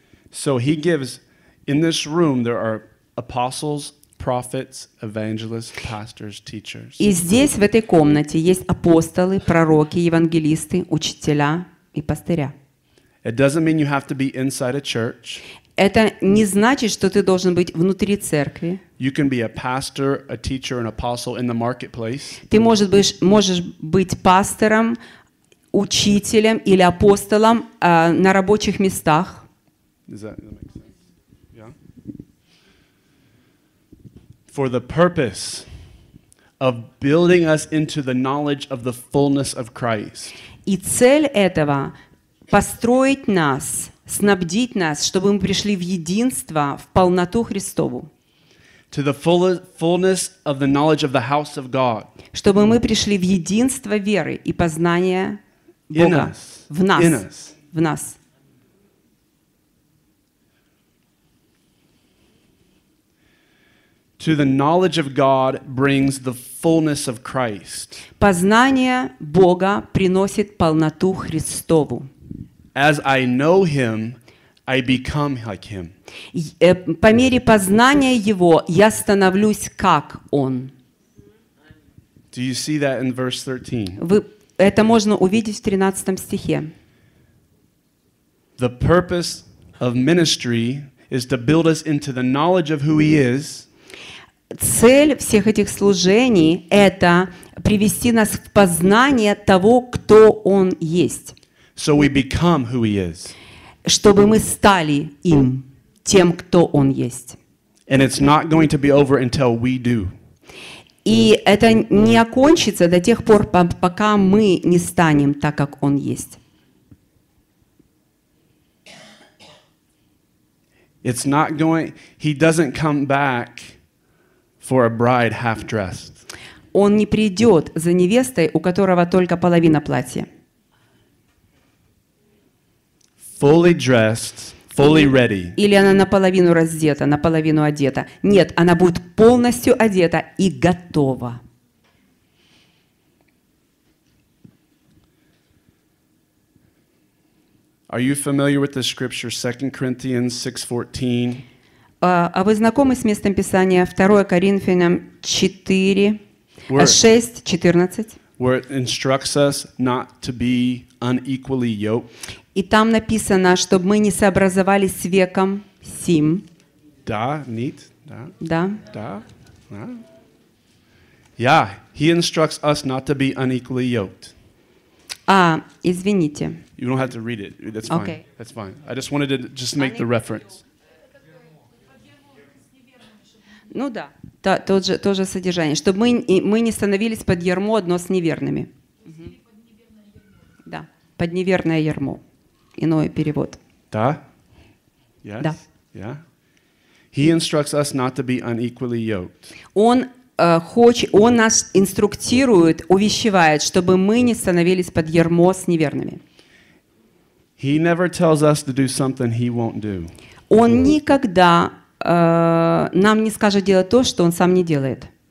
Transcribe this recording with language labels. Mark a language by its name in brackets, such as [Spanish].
[English] So he gives, in this room there are apostles, prophets, evangelists, pastors, teachers. [Russian] И здесь, в этой комнате, есть апостолы, пророки, евангелисты, учителя. [English] It doesn't mean you have to be inside a church. [Russian] Это не значит, что ты должен быть внутри церкви. [English] You can be a pastor, a teacher, an apostle in the marketplace. [Russian] Ты можешь быть пастором, учителем или апостолом на рабочих местах. [English] Does that make sense? Yeah. For the purpose of building us into the knowledge of the fullness of Christ. [Russian] И цель этого — построить нас, снабдить нас, чтобы мы пришли в единство, в полноту Христову. [English] To the fullness of the knowledge of the house of God. [Russian] Чтобы мы пришли в единство веры и познания Бога. [English] In us. [Russian] В нас. [English] In us. [Russian] В нас. [English] To the knowledge of God brings the fullness of Christ. [Russian] Познание Бога приносит полноту Христову. [English] As I know Him, I become like Him. [Russian] По мере познания Его я становлюсь как Он. [English] Do you see that in verse 13? [Russian] Это можно увидеть в 13 стихе. [English] The purpose of ministry is to build us into the knowledge of who He is. [Russian] Цель всех этих служений — это привести нас в познание того, кто Он есть. [English] So we become who He is. [Russian] Чтобы мы стали им, тем, кто Он есть. [English] And it's not going to be over until we do. [Russian] И это не окончится до тех пор, пока мы не станем так, как Он есть. [English] It's not going, He doesn't come back for a bride half-dressed. [Russian] Он не придет за невестой, у которого только половина платья. [English] Fully dressed, fully ready. [Russian] Или она наполовину раздета, наполовину одета. Нет, она будет полностью одета и готова. [English] Are you familiar with the scripture 2 Corinthians 6:14? [Russian] А вы знакомы с местом Писания 2 Коринфянам 6:14? И там написано, чтобы мы не сообразовались с веком сим. Да, нет, да. Да. Да. Да. [English] Yeah, he instructs us not to be unequally yoked. [Russian] А, извините. [English] You don't have to read it. That's fine. Okay. That's fine. I just wanted to just make the reference. [Russian] Ну да, то же содержание. Чтобы мы не становились под ярмо одно с неверными. Угу. Да, под неверное ярмо. Иной перевод. Да? [English] Yes. [Russian] Да. [English] Yeah. He instructs us not to be unequally yoked. [Russian] Он нас инструктирует, увещевает, чтобы мы не становились под ярмо с неверными. [English] He never tells us to do something he won't do. [Russian] Он никогда нам не скажет делать то, что он сам не делает.